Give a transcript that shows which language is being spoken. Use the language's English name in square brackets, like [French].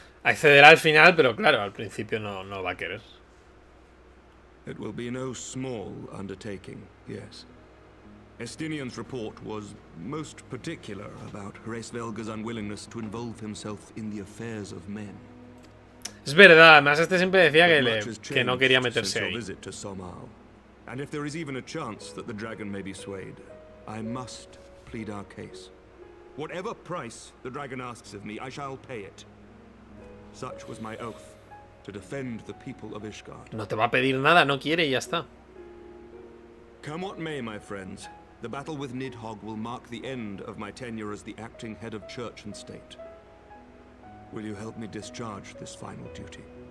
[Spanish] Accederá al final, pero claro, al principio no va a querer. [English] It will be no small undertaking. Yes. Estinian's report was most particular about Hreisvelga's unwillingness to involve himself in the affairs of men. [Spanish] Es verdad, además este siempre decía que no quería meterse ahí. [English] And if there is even a chance that the dragon may be swayed, I must plead our case. Whatever price the dragon asks of me, I shall pay it. Such was my oath to defend the people of Ishgard. [Spanish] No te va a pedir nada, no quiere y ya está. [English] Come what may, my friends. The battle with Nidhogg will mark the end of my tenure as the acting head of church and state. Will you help me discharge this final duty?